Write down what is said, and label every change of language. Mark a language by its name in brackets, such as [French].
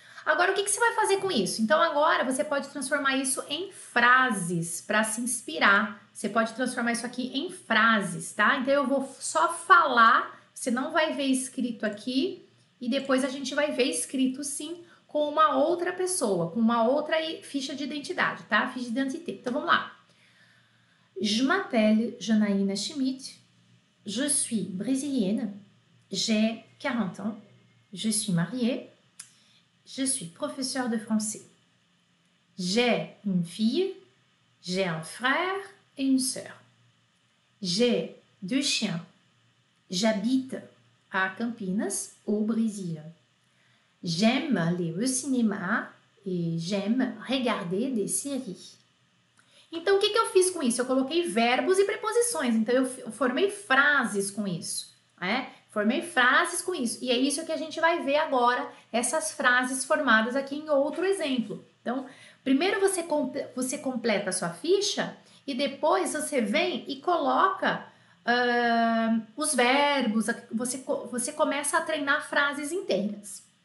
[Portuguese] Agora, o que você vai fazer com isso? Então, agora você pode transformar isso em frases para se inspirar. Você pode transformar isso aqui em frases, tá? Então, eu vou só falar. Você não vai ver escrito aqui. E depois a gente vai ver escrito, sim, com uma outra pessoa, com uma outra ficha de identidade, tá? Ficha de identidade. Então, vamos lá. [French] Je m'appelle Janaína Schmidt. Je suis brésilienne. J'ai 40 ans. Je suis mariée. Je suis professeure de français. J'ai une fille. J'ai un frère et une sœur. J'ai deux chiens. J'habite à Campinas, au Brésil. J'aime aller au cinéma et j'aime regarder des séries. [Portuguese] Então, o que eu fiz com isso? Eu coloquei verbos e preposições. Então, eu formei frases com isso. Né? Formei frases com isso. E é isso que a gente vai ver agora, essas frases formadas aqui em outro exemplo. Então, primeiro você completa a sua ficha e depois você vem e coloca os verbos, você começa a treinar frases inteiras.